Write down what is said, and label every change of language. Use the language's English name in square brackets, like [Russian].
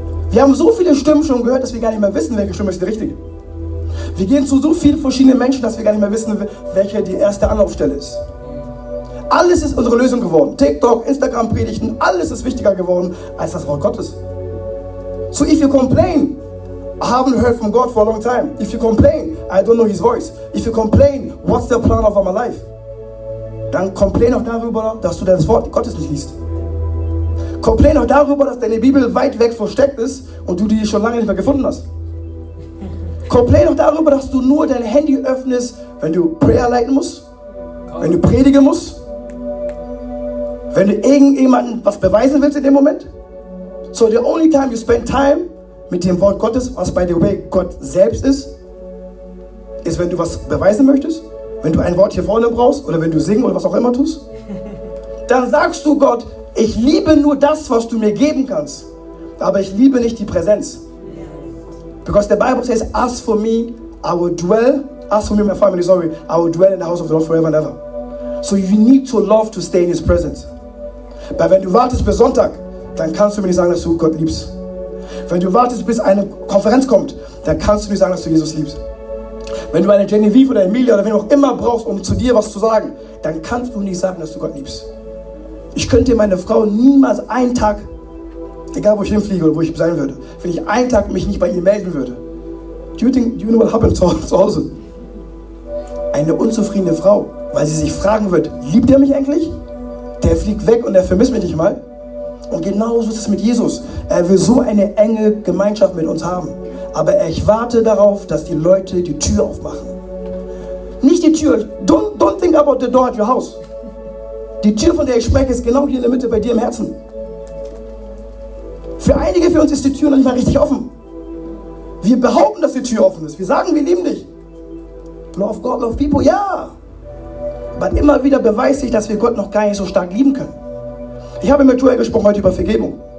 [German] Wir haben so viele Stimmen schon gehört, dass wir gar nicht mehr wissen, welche Stimme ist die richtige. Wir gehen zu so vielen verschiedenen Menschen, dass wir gar nicht mehr wissen, welche die erste Anlaufstelle ist. Alles ist unsere Lösung geworden. TikTok, Instagram, Predigten, alles ist wichtiger geworden als das Wort Gottes. [English] So if you complain, I haven't heard from God for a long time. If you complain, I don't know his voice. If you complain, what's the plan of my life? [German] Dann complain auch darüber, dass du das Wort Gottes nicht liest. Complain auch darüber, dass deine Bibel weit weg versteckt ist und du die schon lange nicht mehr gefunden hast. Complain auch darüber, dass du nur dein Handy öffnest, wenn du Prayer leiten musst, wenn du predigen musst, wenn du irgendjemandem was beweisen willst in dem Moment. [English] So the only time you spend time [German] mit dem Wort Gottes, was [English] by the way [German] Gott selbst ist, ist, wenn du was beweisen möchtest wenn du ein Wort hier vorne brauchst oder wenn du singen oder was auch immer tust, dann sagst du Gott, ich liebe nur das, was du mir geben kannst, aber ich liebe nicht die Präsenz. [English] Because the Bible says, as for me, I will dwell, as for me and my family, sorry, I will dwell in the house of the Lord forever and ever. So you need to love to stay in his presence. [German] Weil wenn du wartest bis Sonntag, dann kannst du mir nicht sagen, dass du Gott liebst. Wenn du wartest, bis eine Konferenz kommt, dann kannst du nicht sagen, dass du Jesus liebst. Wenn du eine Genevieve oder Emilia oder wen auch immer brauchst, um zu dir was zu sagen, dann kannst du nicht sagen, dass du Gott liebst. Ich könnte meine Frau niemals einen Tag, egal wo ich hinfliege oder wo ich sein würde, wenn ich einen Tag mich nicht bei ihr melden würde. [English] Do you know what happened [German] zu Hause? Eine unzufriedene Frau, weil sie sich fragen wird, liebt er mich eigentlich? Der fliegt weg und er vermisst mich nicht mal. Und genauso ist es mit Jesus. Er will so eine enge Gemeinschaft mit uns haben. Aber ich warte darauf, dass die Leute die Tür aufmachen. Nicht die Tür. [English] Don't think about the door at your house. [German] Die Tür, von der ich spreche, ist genau hier in der Mitte bei dir im Herzen. Für einige von uns ist die Tür noch nicht mal richtig offen. Wir behaupten, dass die Tür offen ist. Wir sagen, wir lieben dich. [English] Love God, love people. [German] Ja. Aber immer wieder beweist sich, dass wir Gott noch gar nicht so stark lieben können. Ich habe mit Joel gesprochen heute über Vergebung.